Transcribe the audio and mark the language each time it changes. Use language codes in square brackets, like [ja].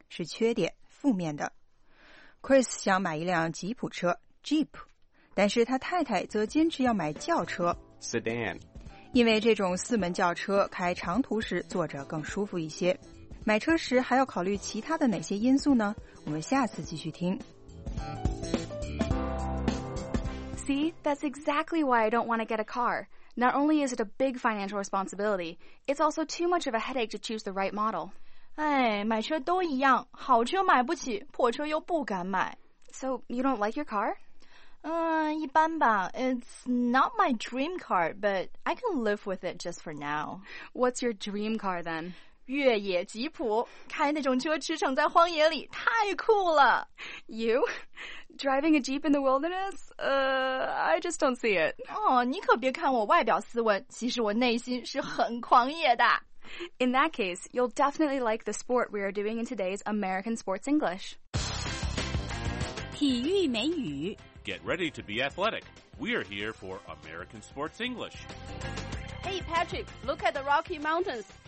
[zh] 是缺点，负面的。Chris 想买一辆吉普车 ,Jeep, 但是他太太则坚持要买轿车 ,Sedan, 因为这种四门轿车开长途时坐着更舒服一些。买车时还要考虑其他的哪些因素呢？我们下次继续听。 [en] See, that's exactly why I don't want to get a car. Not only is it a big financial responsibility, it's also too much of a headache to choose the right model. [zh] 哎，买车都一样，好车买不起，破车又不敢买。 [en] So, you don't like your car? [zh] 一般吧。 [en] It's not my dream car, but I can live with it just for now. What's your dream car then? [zh] 越野吉普，开那种车驰骋在荒野里，太酷了。 [en] You? Driving a Jeep in the wilderness? I just don't see it. [zh] 哦，你可别看我外表斯文，其实我内心是很狂野的。 [en] In that case, you'll definitely like the sport we are doing in today's American Sports English. [zh] 体育美语。 [en] Get ready to be athletic. We are here for American Sports English. Hey Patrick, look at the Rocky Mountains.